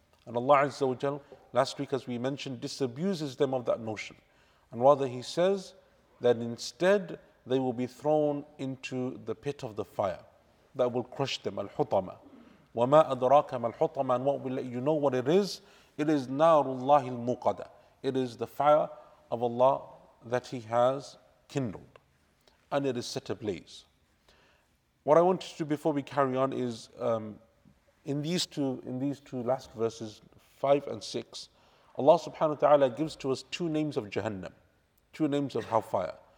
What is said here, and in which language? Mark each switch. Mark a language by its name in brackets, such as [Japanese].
[English] And Allah Azza wa Jal, last week as we mentioned, disabuses them of that notion. And rather he says that instead they will be thrown into the pit of the fire that will crush them, al-hutama. [Arabic] وَمَا أَدْرَاكَ مَا الْحُطَمَا. [English] And what will let you know what it is? It is [Arabic] نَارُ اللَّهِ الْمُقَدَى. [English] It is the fire of Allah that He has kindled. And it is set ablaze. What I want to do before we carry on is, in these two last verses, 5 and 6, Allah subhanahu wa ta'ala gives to us two names of Jahannam, two names of hellfire.